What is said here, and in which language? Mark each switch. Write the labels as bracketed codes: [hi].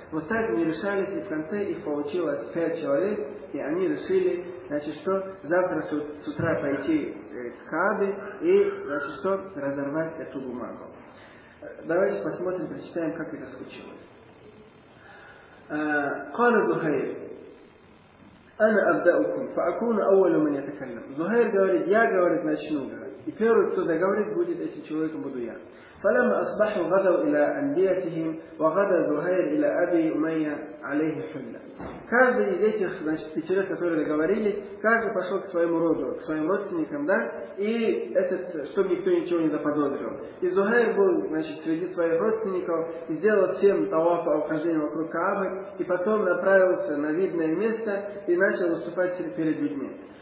[ru] Вот так они решались, и в конце их получилось пять человек, и они решили, значит, что завтра с утра пойти к Каабе и, значит, что разорвать эту бумагу. Давайте посмотрим, прочитаем, как это случилось. [ar] Кана Зухайр, ана абдаукум, фаакуна ауалю мене такалям. [ru] Зухайр говорит, я, говорит, начну, говорит. И первый, кто договорит, будет, этим человеком буду я. [ar] فلما أصبحوا غدوا إلى أنديتهم وغدا زهير إلى أبي أمية عليه حلة. [ru] Каждый из этих, значит, пятерых, которые договорились, каждый пошел к своему роду, к своим родственникам, да, и этот, чтобы никто ничего не заподозрил. И Зухайр был, значит, среди своих родственников, и сделал всем тавафа, ухождение вокруг Каабы, и потом направился на видное место и начал выступать перед людьми.